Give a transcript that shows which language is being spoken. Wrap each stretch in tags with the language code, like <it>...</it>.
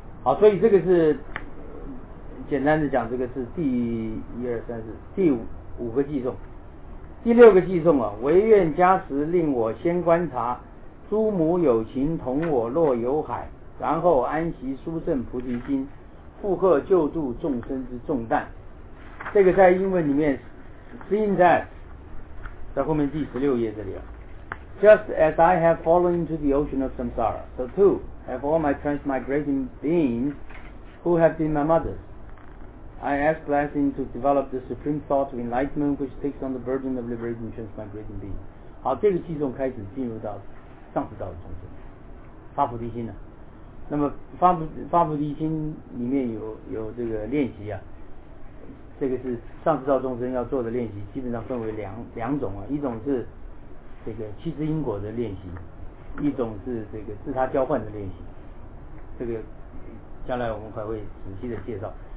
<zh>好，所以这个是简单的讲，这个是第一二三四第 五个寄送。第六个寄送啊，唯愿加持令我先观察诸母有情同我若有海，然后安息殊胜菩提心，负荷救度众生之重担。这个在英文里面</zh> <en>seeing that</en> <zh>在后面第十六页这里啊，</zh> <en>Just as I have fallen into the ocean of samsara, so too have all my transmigrating beings who have been my mothers. I ask blessing to develop the supreme thought of enlightenment which takes on the burden of liberating transmigrating beings.</en> <zh>好，这个寄送开始进入到上士道的众生，发菩提心呢、啊？那么发菩提心里面有这个练习啊，这个是上士道众生要做的练习，基本上分为两种啊，一种是这个七支因果的练习，一种是这个自他交换的练习，这个将来我们还会仔细的介绍。</zh>